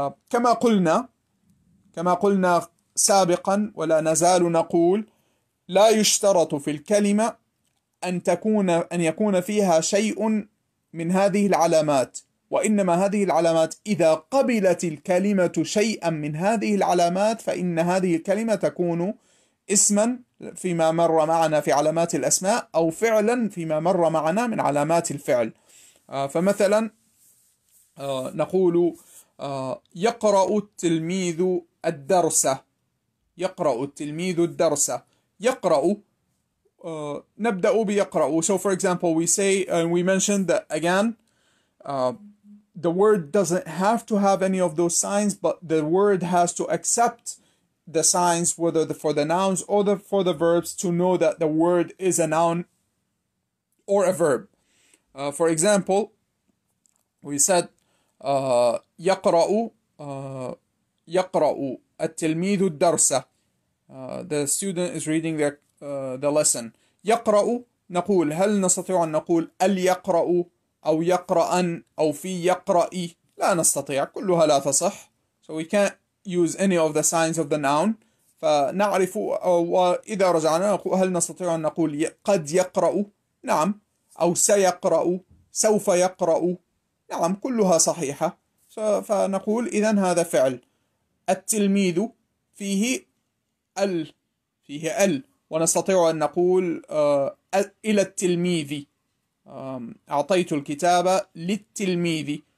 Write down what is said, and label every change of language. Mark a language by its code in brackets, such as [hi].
[ar] كما قلنا سابقا ولا نزال نقول لا يشترط في الكلمة أن يكون فيها شيء من هذه العلامات، وإنما هذه العلامات إذا قبلت الكلمة شيئا من هذه العلامات فإن هذه الكلمة تكون اسما فيما مر معنا في علامات الأسماء، أو فعلا فيما مر معنا من علامات الفعل. فمثلا نقول يقرأ التلميذ الدرس، يقرأ التلميذ الدرس. يقرأ نبدأ بيقرأ. [en] So for example we say and we mentioned that again the word doesn't have to have any of those signs, but the word has to accept the signs, whether for the nouns or for the verbs, to know that the word is a noun or a verb. For example, we said [ar] يقرأ التلميذ الدرس. [en] The student is reading the lesson. [ar] يقرأ نقول، هل نستطيع أن نقول اليقرأ أو يقرأن أو في يقرأي؟ لا نستطيع، كلها لا تصح. [en] So we can't use any of the signs of the noun. [ar] فنعرف وإذا رجعنا نقول هل نستطيع أن نقول قد يقرأ؟ نعم. أو سيقرأ، سوف يقرأ؟ نعم، كلها صحيحة. فنقول إذن هذا فعل. التلميذ فيه ال، فيه ال، ونستطيع أن نقول إلى التلميذ، أعطيت الكتاب للتلميذ.